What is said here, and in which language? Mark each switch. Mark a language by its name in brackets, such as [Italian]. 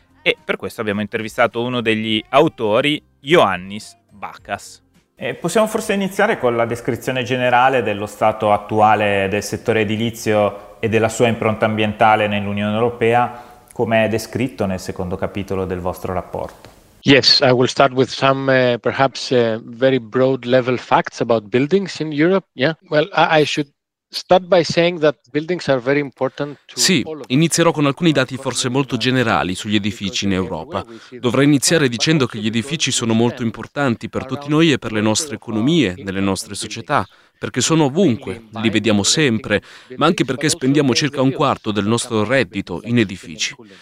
[Italian] E per questo abbiamo intervistato uno degli autori, Ioannis Bakas. Possiamo forse iniziare con la descrizione generale dello stato attuale del settore edilizio e della sua impronta ambientale nell'Unione Europea, come è descritto nel secondo capitolo del vostro rapporto. [English] Yes, I will start with some perhaps very broad level facts about buildings in Europe. Yeah, well, I should Start by saying that buildings are very important to [Italian] sì, inizierò con alcuni dati forse molto generali sugli edifici in Europa. Dovrei iniziare dicendo che gli edifici sono molto importanti per tutti noi e per le nostre economie, nelle nostre società, perché sono ovunque, li vediamo sempre, ma anche perché spendiamo circa un quarto del nostro reddito in edifici.